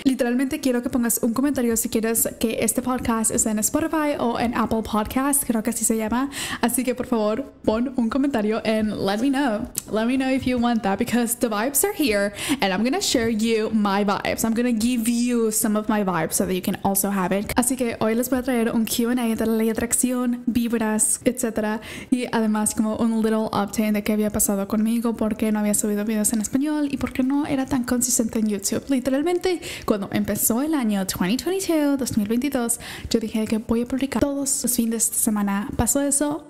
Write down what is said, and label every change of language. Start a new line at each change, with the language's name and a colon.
Spanish: Literalmente quiero que pongas un comentario si quieres que este podcast esté en Spotify o en Apple Podcast, creo que así se llama. Así que por favor, pon un comentario
English: and let me know. Let me know if you want that because the vibes are here and I'm gonna share you my vibes. I'm gonna give you some of my vibes so that you can also have it.
Spanish: Así que hoy les voy a traer un Q&A de la letra acción, vibras, etcétera, y además como un
English: little update
Spanish: de qué había pasado conmigo, porque no había subido videos en español y porque no era tan consistente en YouTube. Literalmente cuando empezó el año 2022, yo dije que voy a publicar todos los fines de semana. ¿Pasó eso?